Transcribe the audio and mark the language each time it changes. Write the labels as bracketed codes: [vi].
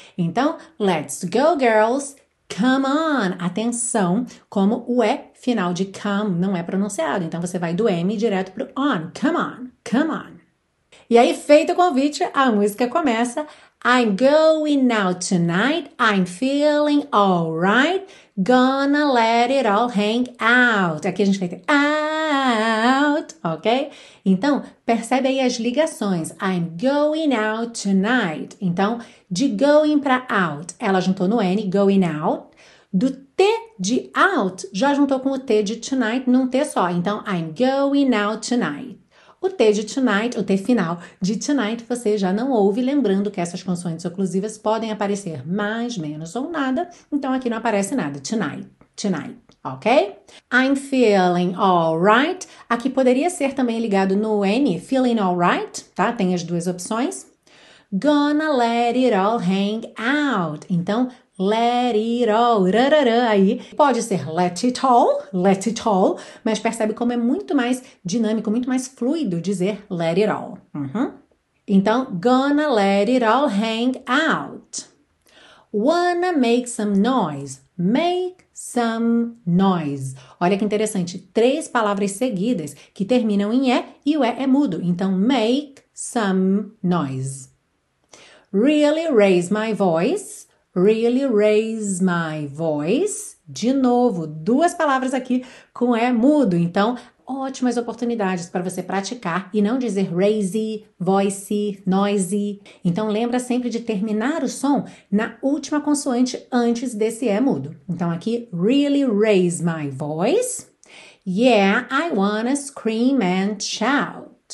[en] Então, let's go, girls! Come on! [pt] Atenção, como o E final de come não é pronunciado. Então você vai do M direto pro on. [en] Come on, come on. [pt] E aí, feito o convite, a música começa. [en] I'm going out tonight. I'm feeling alright. Gonna let it all hang out. [pt] Aqui a gente vai ter out, ok? Então, percebe aí as ligações. [en] I'm going out tonight. [pt] Então, de going para out, ela juntou no N, going out. Do T de out, já juntou com o T de tonight num T só. [en] Então, I'm going out tonight. [pt] O T de tonight, o T final de tonight, você já não ouve, lembrando que essas consoantes oclusivas podem aparecer mais, menos ou nada. Então, aqui não aparece nada. Tonight, ok? [en] I'm feeling alright. [pt] Aqui poderia ser também ligado no N, feeling alright, tá? Tem as duas opções. [en] Gonna let it all hang out. [pt] Então, let it all, rarara, aí pode ser let it all, mas percebe como é muito mais dinâmico, muito mais fluido dizer let it all. [en] Então, gonna let it all hang out. Wanna make some noise, make some noise. [pt] Olha que interessante, três palavras seguidas que terminam em E e o E é mudo. [en] Então, make some noise. Really raise my voice. Really raise my voice. [pt] De novo, duas palavras aqui com E mudo. Então, ótimas oportunidades para você praticar e não dizer raise, voice, noise. Então, lembra sempre de terminar o som na última consoante antes desse E mudo. [en] Então, aqui, really raise my voice. Yeah, I wanna scream and shout.